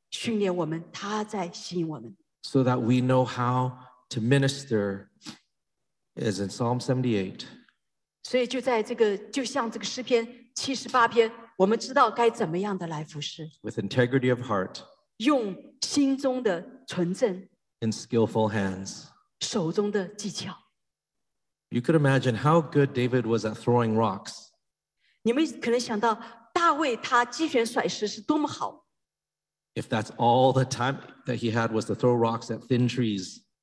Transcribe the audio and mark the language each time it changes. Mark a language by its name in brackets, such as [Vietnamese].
[Chinese] 但就在这个地方，神在训练我们，他在吸引我们。 [English] So that we know how to minister, as in Psalm 78. [Chinese] 所以就在这个，就像这个诗篇78篇，我们知道该怎么样的来服侍。 [English] With integrity of heart. [Chinese] 用心中的纯正。 [English] In skillful hands. [Chinese] 手中的技巧。 [English] You could imagine how good David was at throwing rocks. [Chinese] 你们可能想到大卫他击拳甩石是多么好。 [English] If that's all the time that he had was to throw rocks at thin trees.